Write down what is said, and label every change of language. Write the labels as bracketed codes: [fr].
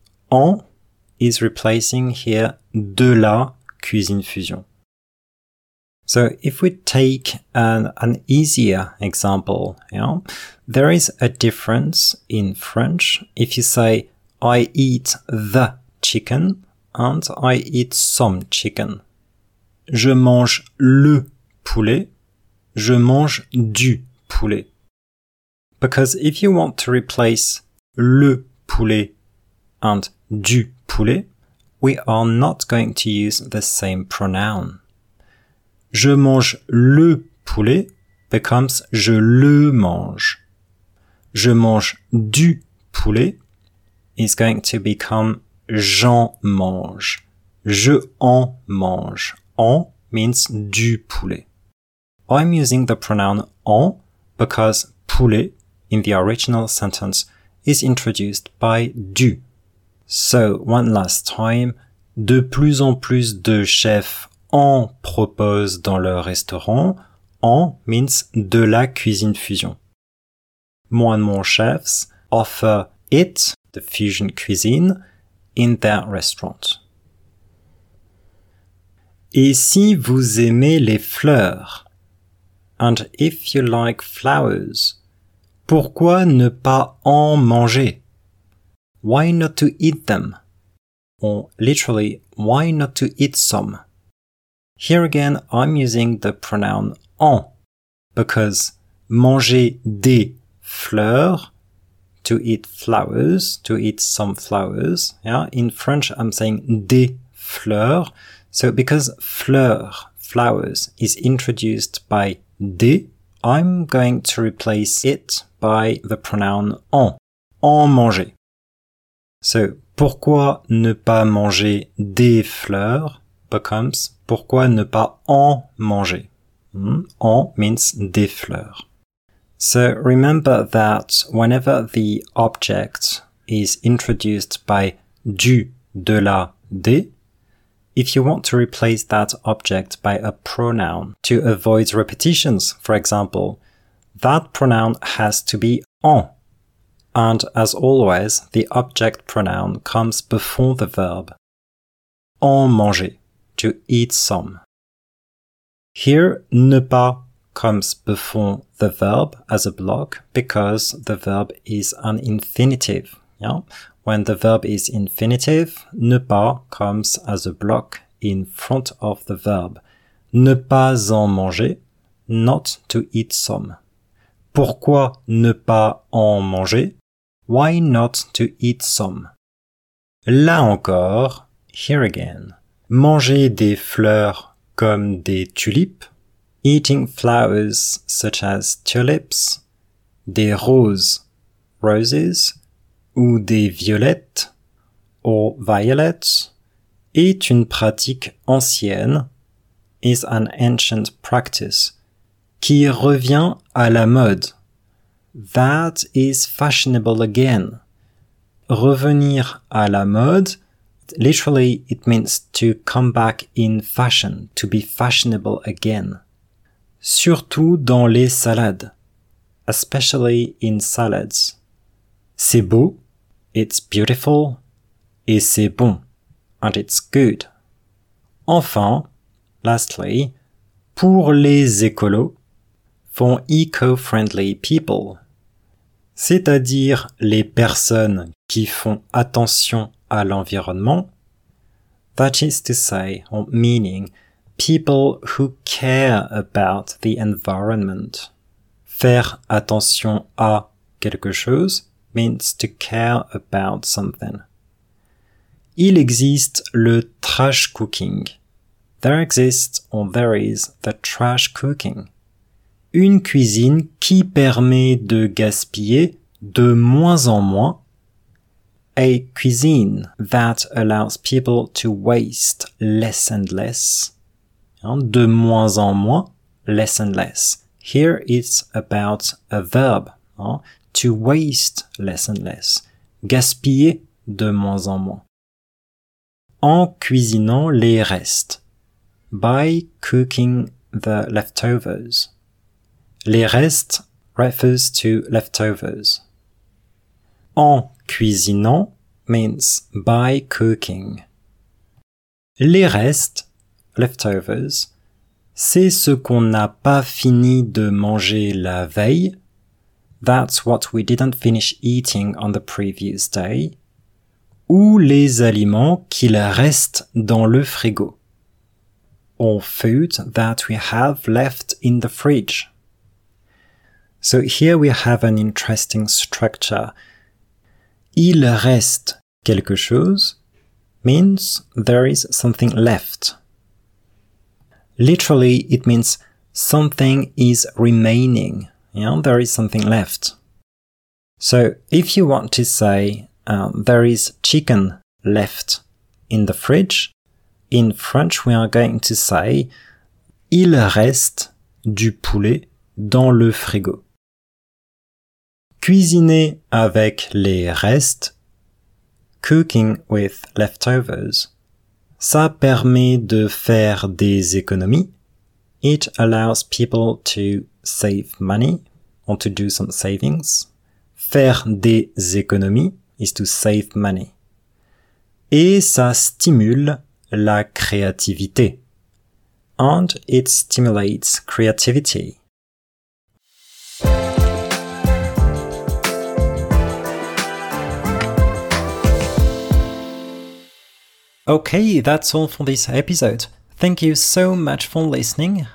[en] En is replacing here [fr] de la cuisine fusion. [en] So if we take an easier example, there is a difference in French if you say I eat the chicken and I eat some chicken. [fr] Je mange le poulet, je mange du poulet. [en] Because if you want to replace le poulet and du poulet, we are not going to use the same pronoun. [fr] Je mange le poulet becomes je le mange. Je mange du poulet [en] is going to become [fr] j'en mange. Je en mange. En means du poulet. [en] I'm using the pronoun en because poulet in the original sentence is introduced by du. So, one last time. [fr] De plus en plus de chefs en proposent dans leur restaurant. En means de la cuisine fusion. [en] More and more chefs offer it, the fusion cuisine, in their restaurant. [fr] Et si vous aimez les fleurs? [en] And if you like flowers, [fr] pourquoi ne pas en manger? [en] Why not to eat them? Or literally, why not to eat some? Here again, I'm using the pronoun en, because [fr] manger des fleurs, [en] to eat flowers, to eat some flowers, yeah, in French I'm saying des fleurs, so because fleurs, flowers, is introduced by des, I'm going to replace it by the pronoun en, [fr] en manger. So, pourquoi ne pas manger des fleurs becomes pourquoi ne pas en manger. En means des fleurs. [en] So, remember that whenever the object is introduced by du, de la, des, if you want to replace that object by a pronoun to avoid repetitions, for example, that pronoun has to be en. And as always, the object pronoun comes before the verb. [fr] En manger, [en] to eat some. Here, ne pas comes before the verb as a block because the verb is an infinitive. Yeah? When the verb is infinitive, ne pas comes as a block in front of the verb. [fr] Ne pas en manger, [en] not to eat some. [fr] Pourquoi ne pas en manger? [en] Why not to eat some? [fr] Là encore, [en] here again, [fr] manger des fleurs comme des tulipes, [en] eating flowers such as tulips, [fr] des roses, [en] roses, [fr] ou des violettes, [en] or violets, [fr] est une pratique ancienne, [en] is an ancient practice, [fr] qui revient à la mode. [en] That is fashionable again. [fr] Revenir à la mode, [en] literally it means to come back in fashion, to be fashionable again. [fr] Surtout dans les salades. [en] Especially in salads. [fr] C'est beau, [en] it's beautiful, [fr] et c'est bon, [en] and it's good. Enfin, lastly, [fr] pour les écolos, [en] for eco-friendly people, [fr] c'est-à-dire les personnes qui font attention à l'environnement, [en] that is to say, or meaning, people who care about the environment. [fr] Faire attention à quelque chose [en] means to care about something. [fr] Il existe le trash cooking. [en] There exists or there is the trash cooking. [fr] Une cuisine qui permet de gaspiller de moins en moins. [en] A cuisine that allows people to waste less and less. [fr] De moins en moins, [en] less and less. Here it's about a verb, to waste less and less. [fr] Gaspiller de moins en moins. En cuisinant les restes. [en] By cooking the leftovers. [fr] Les restes [en] refers to leftovers. [fr] En cuisinant [en] means by cooking. [fr] Les restes, leftovers, c'est ce qu'on n'a pas fini de manger la veille. [en] That's what we didn't finish eating on the previous day. [fr] Ou les aliments qu'il reste dans le frigo. [en] Or food that we have left in the fridge. So here we have an interesting structure. [fr] Il reste quelque chose [en] means there is something left. Literally, it means something is remaining. Yeah, there is something left. So if you want to say there is chicken left in the fridge, in French we are going to say [fr] il reste du poulet dans le frigo. Cuisiner avec les restes, [en] cooking with leftovers. [fr] Ça permet de faire des économies. [en] It allows people to save money or to do some savings. [fr] Faire des économies [en] is to save money. [fr] Et ça stimule la créativité. [en] And it stimulates creativity. Okay, that's all for this episode. Thank you so much for listening.